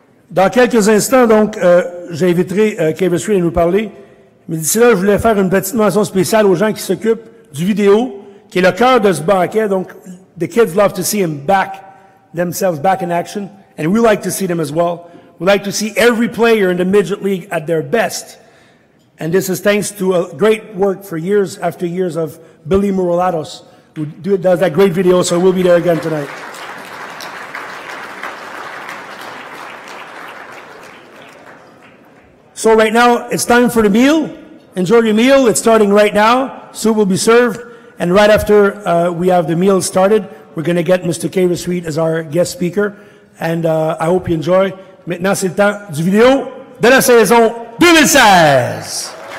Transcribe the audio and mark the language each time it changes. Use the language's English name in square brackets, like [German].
[French] Dans quelques instants, donc, j'inviterai Kevin Street à nous parler. Mais d'ici là, je voulais faire une petite mention spéciale aux gens qui s'occupent du vidéo, qui est le cœur de ce banquet. Donc, [English] the kids love to see him back, themselves back in action. And we like to see them as well. We like to see every player in the Midget League at their best. And this is thanks to a great work for years after years of Billy Morolatos, who does that great video, so we'll be there again tonight. So right now, it's time for the meal. Enjoy your meal. It's starting right now. Soup will be served. And right after we have the meal started, we're going to get Mr. Kavis Reed as our guest speaker. And I hope you enjoy. [French] Maintenant, c'est le temps du vidéo de la saison 2016.